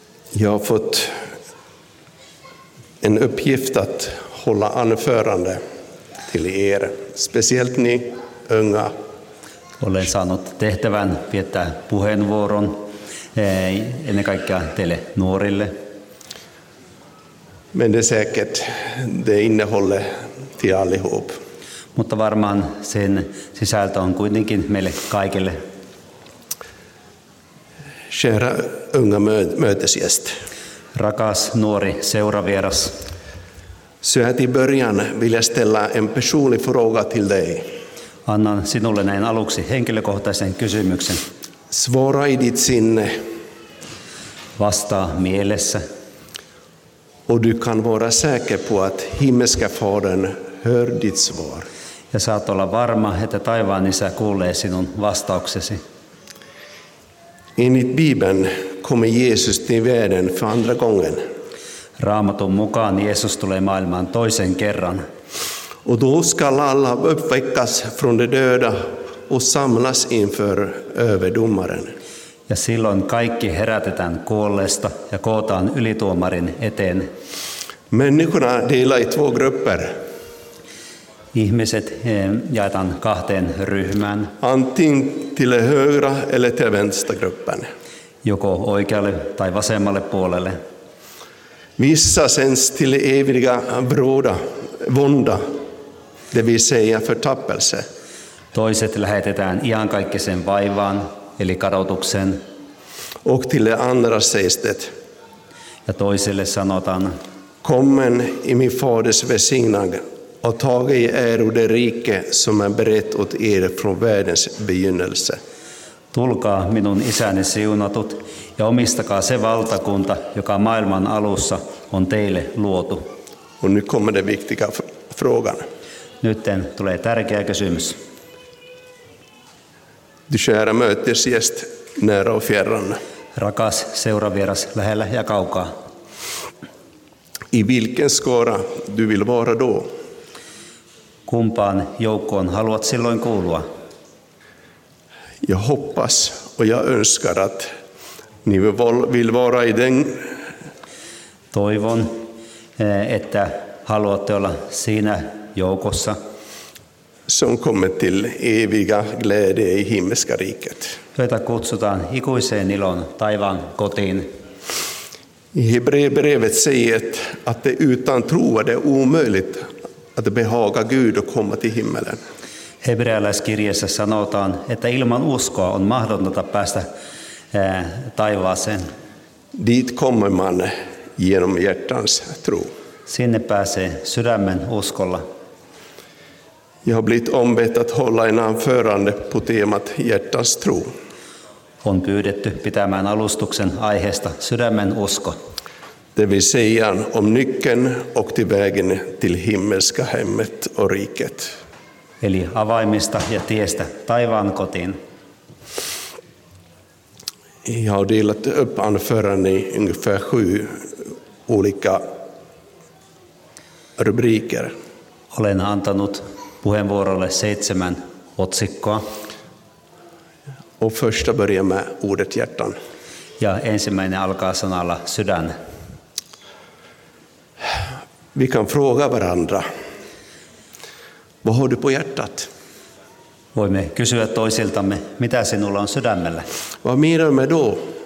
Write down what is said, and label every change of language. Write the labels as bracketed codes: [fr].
[sv] Jag har fått en uppgift att hålla anförande till er, speciellt ni unga. [fi] Olen saanut tehtävän viettää puheenvuoron ennen kaikkea teille nuorille. [sv] Men det är säkert det innehåller till allihop. [fi] Mutta varmaan sen sisältö on kuitenkin meille kaikille. [sv] Kära unga mötesgäst. [fi] Rakas nuori seuravieras. [sv] Så i början vill jag ställa en personlig fråga till dig. [fi] Annan sinulle näin aluksi henkilökohtaisen kysymyksen. [sv] Svara i ditt sinne. [fi] Vastaa mielessä. [sv] Och du kan vara säker på att himmelska fadern hör ditt svar. [fi] Ja saat olla varma, että taivaan isä kuulee sinun vastauksesi. [sv] Enligt Bibeln kommer Jesus till världen för andra gången. [fi] Raamatun mukaan Jeesus tulee maailmaan toisen kerran. [sv] Och då ska alla uppväckas från de döda och samlas inför överdomaren. [fi] Ja silloin kaikki herätetään kuolleesta ja kootaan ylituomarin eteen. [sv] Människorna delar i två grupper. [fi] Ihmiset jaetaan kahteen ryhmään. [sv] Antingen till högra eller till vänstra gruppen. [fi] Joko oikealle tai vasemmalle puolelle. [sv] Vissa sänds till eviga bråda, vonda, det vill säga förtappelse. [fi] Toiset lähetetään iankaikkisen vaivaan, eli kadotuksen. [sv] Och till andra seistet. [fi] Ja toiselle sanotaan. [sv] Kommen i min faders välsignad. Och tagit er ur det rike som är berett åt er från världens begynnelse. [fi] Tulkaa minun isäni siunatut ja omistakaa se valtakunta, joka maailman alussa on teille luotu. [sv] Och nu kommer den viktiga frågan. [fi] Nytten tulee tärkeä kysymys. [sv] Du kära mötesgäst, nära och fjärran. [fi] Rakas seuravieras lähellä ja kaukaa. [sv] I vilken skara du vill vara då? [fi] Kumpaan joukkoon haluat silloin kuulua? [sv] Jag hoppas och jag önskar att Ni vill vara i den. [fi] Toivon, että haluatte olla siinä joukossa. [sv] Som kommer till eviga glädje i himmelska riket. [fi] Joita kutsutaan ikuiseen ilon taivaan kotiin. [sv] I Hebreerbrevet säger att det utan tro är det omöjligt att behaga Gud och komma till himmelen. [fi] Hebrealaiskirjassa sanotaan, että ilman uskoa on mahdotonta päästä taivaaseen. [sv] Dit kommer man genom hjärtans tro. [fi] Sinne pääsee sydämen uskolla. [sv] Jag har blivit ombett att hålla en anförande på temat hjärtans tro. [fi] On pyydetty pitämään alustuksen aiheesta sydämen usko. [sv] Det vill säga om nyckeln och till vägen till himmelska hemmet och riket. [fi] Eli avaimista ja tiestä taivaan kotiin. [sv] Jag har delat upp anförande i ungefär 7 olika rubriker. [fi] Olen antanut puheenvuorolle 7 otsikkoa. [sv] Och första börjar med ordet hjärtan. [fi] Ja ensimmäinen alkaa sanalla sydän. [sv] Vi kan fråga varandra. Vad har du på hjärtat? [fi] Voimme kysyä toisiltamme, mitä sinulla on sydämellä? [sv] Vad menar du då?